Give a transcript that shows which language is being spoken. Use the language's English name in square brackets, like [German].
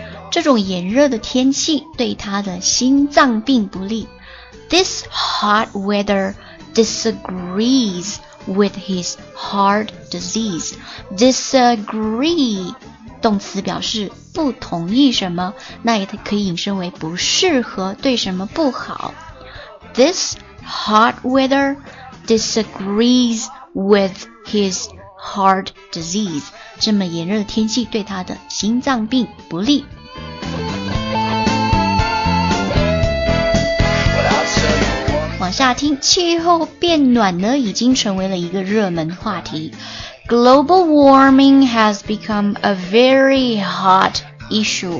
[Chinese] 这种炎热的天气对他的心脏病不利。 [English] This hot weather disagrees with his heart disease. [Chinese] Disagree 动词表示不同意什么，那也可以引申为不适合，对什么不好。 [English] This hot weather disagrees with his heart disease. [Chinese] 这么炎热的天气对他的心脏病不利。往下听，气候变暖呢已经成为了一个热门话题。 [English] Global warming has become a very hot issue.